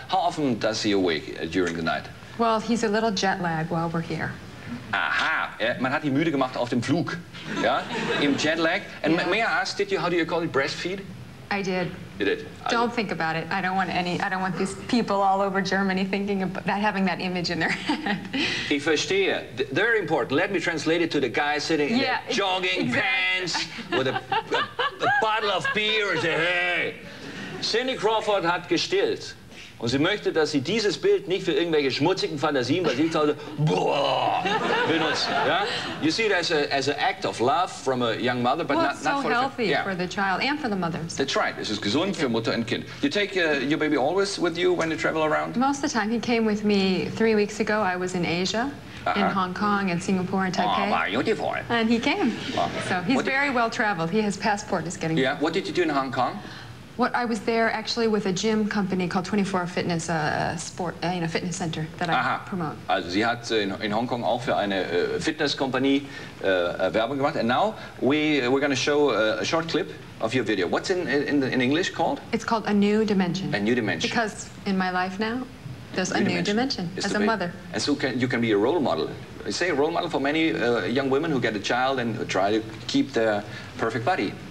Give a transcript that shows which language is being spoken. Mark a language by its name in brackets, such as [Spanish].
[English] How often does he awake during the night? Well, he's a little jet lag while we're here. [German] Aha, man hat ihn müde gemacht auf dem Flug, ja, im jet lag. [English] And may I ask, how do you call it, breastfeed? I did. You did. Don't think about it. I don't want these people all over Germany thinking about that, having that image in their head. [German] Ich verstehe. [English] Very important. Let me translate it to the guy sitting in the jogging pants with a bottle of beer and say, hey, Cindy Crawford [German] hat gestillt. Und sie möchte, dass sie dieses Bild nicht für irgendwelche schmutzigen Fantasien bei sich zu Hause benutzt. [English] Yeah? You see it as an act of love from a young mother, but not so for healthy for the child and for the mothers. That's right. This is [German] gesund für Mutter und Kind. [English] You take your baby always with you when you travel around? Most of the time. He came with me 3 weeks ago. I was in Asia. in Hong Kong and Singapore and Taipei. Oh, my, uniform. And he came. So he's very well traveled. He has passport. He's getting. Yeah. What did you do in Hong Kong? What I was there actually with a gym company called 24 Fitness, a sport, you know, fitness center that I promote. [German] Also, sie hat in Hong Kong auch für eine Fitness Company Werbung gemacht. [English] And now we're going to show a short clip of your video. What's in English called? It's called A New Dimension. A New Dimension. Because in my life now, there's a new dimension as a mother. And so you can be a role model. Say a role model for many young women who get a child and try to keep their perfect body.